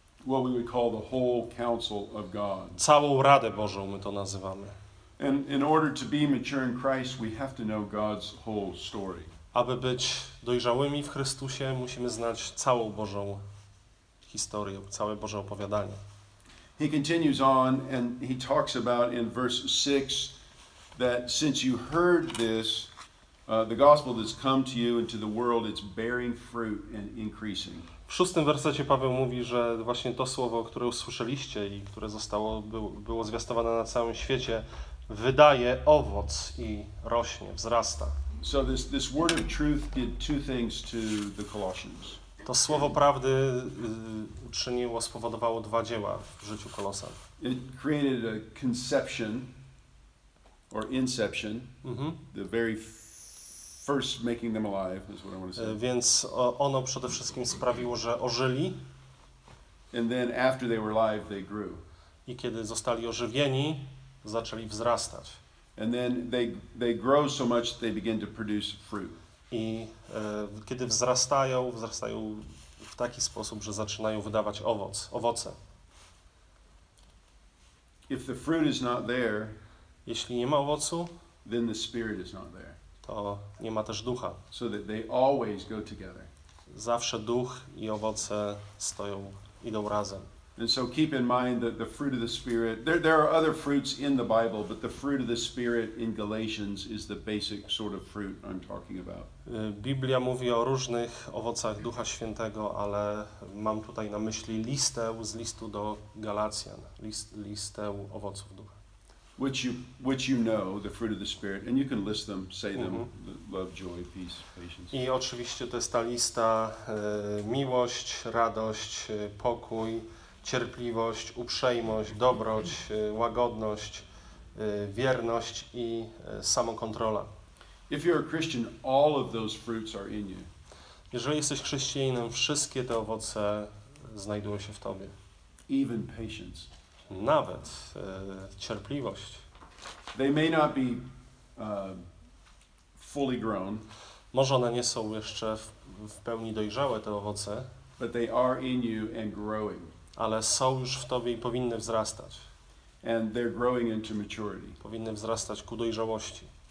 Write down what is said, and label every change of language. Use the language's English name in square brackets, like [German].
[English] What we would call the whole counsel of God. [Polish] Całą Radę Bożą my to nazywamy. [English] And in order to be mature in Christ, we have to know God's whole story. [Polish] Aby być dojrzałymi w Chrystusie, musimy znać całą Bożą historię, całe Boże opowiadanie. [English] He continues on and he talks about in verse 6 that since you heard this, the gospel that's come to you and to the world, it's bearing fruit and increasing. [Polish] W szóstym wersecie Paweł mówi, że właśnie to słowo, które usłyszeliście i które było zwiastowane na całym świecie, wydaje owoc i rośnie, wzrasta. [English] So this word of truth did two things to the Colossians. [Polish] To słowo prawdy spowodowało dwa dzieła w życiu Kolosan. [English] It created a conception or inception, the very first making them alive is what I want to say. [Polish] Więc ono przede wszystkim sprawiło, że ożyli. [English] And then after they were alive, they grew. [Polish] I kiedy zostali ożywieni, zaczęli wzrastać. [English] And then they grow so much that they begin to produce fruit. [Polish] I kiedy wzrastają, wzrastają w taki sposób, że zaczynają wydawać owoce. [English] If the fruit is not there, [Polish] jeśli nie ma owocu, [English] then the spirit is not there. [Polish] To nie ma też ducha. [English] So that they always go together. [Polish] Zawsze duch i owoce idą razem. [English] And so keep in mind that the fruit of the Spirit, there are other fruits in the Bible, but the fruit of the Spirit in Galatians is the basic sort of fruit I'm talking about. [Polish] Biblia mówi o różnych owocach Ducha Świętego, ale mam tutaj na myśli listę z listu do Galacjan, listę owoców Ducha. [English] Which you know, the fruit of the Spirit, and you can list them, say them, love, joy, peace, patience. [Polish] I oczywiście to jest ta lista, miłość, radość, pokój, cierpliwość, uprzejmość, dobroć, łagodność, wierność i samokontrola. [English] If you're a Christian, all of those fruits are in you. [Polish] Jeżeli jesteś chrześcijaninem, wszystkie te owoce znajdują się w tobie. [English] Even patience. [Polish] Nawet cierpliwość. [English] They may not be fully grown. [Polish] Może one nie są jeszcze w pełni dojrzałe, te owoce. [English] But they are in you and growing. [Polish] Ale są już w tobie i powinny wzrastać. [English] And they're growing into maturity. [Polish] Powinny wzrastać ku dojrzałości.